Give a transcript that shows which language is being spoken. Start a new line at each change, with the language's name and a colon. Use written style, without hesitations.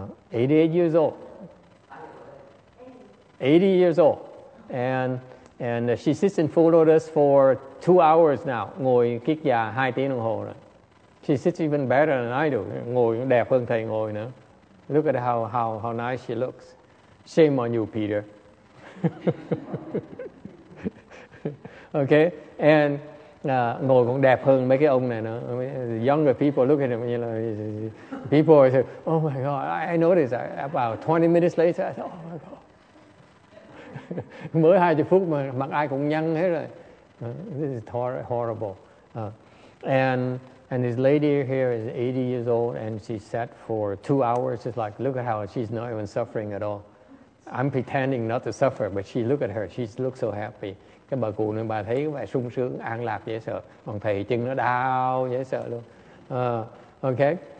English: 88 years old. 80 years old. And she sits and followed us for 2 hours now.
Vietnamese: Ngồi kiết già 2 tiếng đồng hồ rồi.
English: She sits even better than I do.
Vietnamese: Ngồi đẹp hơn thầy ngồi nữa.
English: Look at how nice she looks. Shame on you, Peter. Okay? And
Vietnamese: ngồi cũng đẹp hơn mấy cái ông này nữa.
English: I mean, younger people look at him, you know, people say, oh my God, I noticed that. About 20 minutes later, I thought, oh my God.
Vietnamese: Mới 20 phút mà mặt ai cũng nhăn hết rồi.
English: This is horrible. And this lady here is 80 years old and she sat for 2 hours. It's like, look at how she's not even suffering at all. I'm pretending not to suffer, but she look at her. She looks so happy.
Vietnamese: Cái bà cụ này bà thấy vẻ sung sướng, an lạc dễ sợ. Còn thầy chân nó đau dễ sợ luôn. Okay.